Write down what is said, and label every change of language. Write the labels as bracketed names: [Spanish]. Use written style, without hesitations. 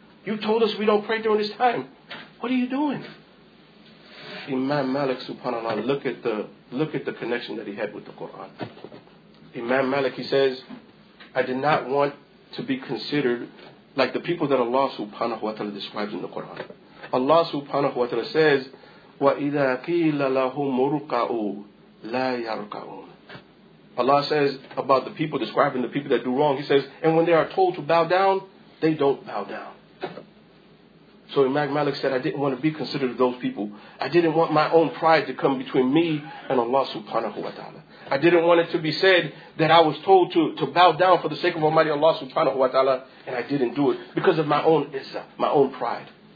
[English] You told us we don't pray during this time. What are you doing? Imam Malik, subhanAllah, look at the connection that he had with the Quran. Imam Malik, he says, I did not want to be considered like the people that Allah subhanahu wa ta'ala describes in the Quran. Allah subhanahu wa ta'ala says, [Arabic] وَإِذَا قِيلَ لَهُمُ رُكَعُوا لَا يَرْكَعُونَ. [English] Allah says about the people, describing the people that do wrong, he says, and when they are told to bow down, they don't bow down. So Imam Malik said, I didn't want to be considered of those people. I didn't want my own pride to come between me and Allah subhanahu wa ta'ala. I didn't want it to be said that I was told to bow down for the sake of Almighty Allah subhanahu wa ta'ala, and I didn't do it because of my own izzah, my own pride.